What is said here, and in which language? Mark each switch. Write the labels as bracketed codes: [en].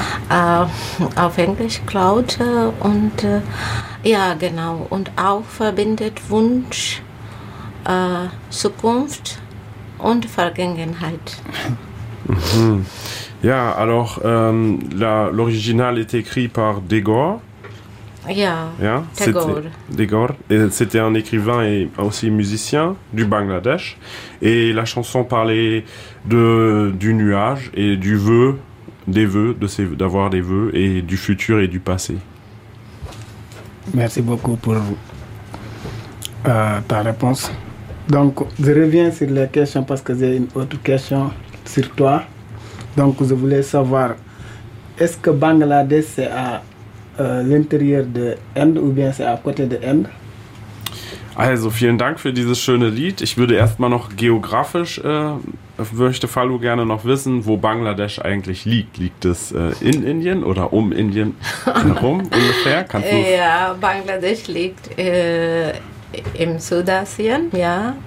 [de] Auf Englisch Cloud und ja, genau. Und auch verbindet Wunsch, Zukunft und Vergangenheit. Mm-hmm. [fr] Ja, alors, l'original est écrit par Tagore. [de] Ja, Tagore. [fr] C'était un écrivain et aussi musicien du Bangladesh. Et la chanson parlait du nuage et du vœu, des vœux, d'avoir des vœux et du futur et du passé. Merci beaucoup pour ta réponse. Donc, je reviens sur les questions parce que j'ai une autre question sur toi. Donc, je voulais savoir, est-ce que Bangladesh c'est à l'intérieur de l'Inde ou bien c'est à côté de l'Inde? [de] Also, vielen Dank für dieses schöne Lied. Ich würde erstmal noch geografisch, möchte Falu gerne noch wissen, wo Bangladesch eigentlich liegt. Liegt es in Indien oder um Indien herum ungefähr? Kannst du's? Ja, Bangladesch liegt im Südasien, ja.